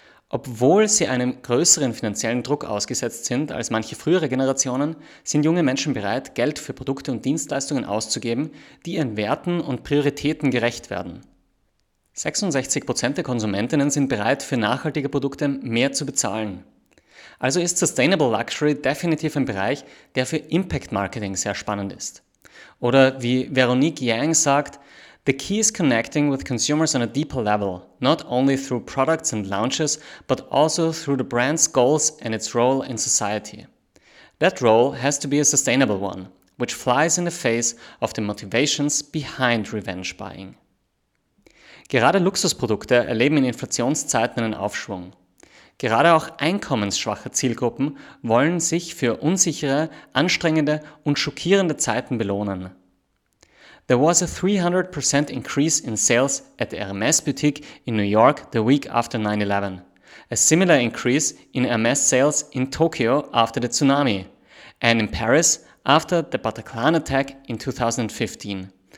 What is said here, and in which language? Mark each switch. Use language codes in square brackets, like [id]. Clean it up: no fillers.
[de] Obwohl sie einem größeren finanziellen Druck ausgesetzt sind als manche frühere Generationen, sind junge Menschen bereit, Geld für Produkte und Dienstleistungen auszugeben, die ihren Werten und Prioritäten gerecht werden. 66% der Konsumentinnen sind bereit, für nachhaltige Produkte mehr zu bezahlen. Also ist [en] sustainable luxury [de] definitiv ein Bereich, der für Impact Marketing sehr spannend ist. Oder wie Veronique Yang sagt, [en] the key is connecting with consumers on a deeper level, not only through products and launches, but also through the brand's goals and its role in society. That role has to be a sustainable one, which flies in the face of the motivations behind revenge buying. [de] Gerade Luxusprodukte erleben in Inflationszeiten einen Aufschwung. Gerade auch einkommensschwache Zielgruppen wollen sich für unsichere, anstrengende und schockierende Zeiten belohnen. [en] There was a 300% increase in sales at the Hermes boutique in New York the week after 9/11. A similar increase in Hermes sales in Tokyo after the tsunami. And in Paris after the Bataclan attack in 2015.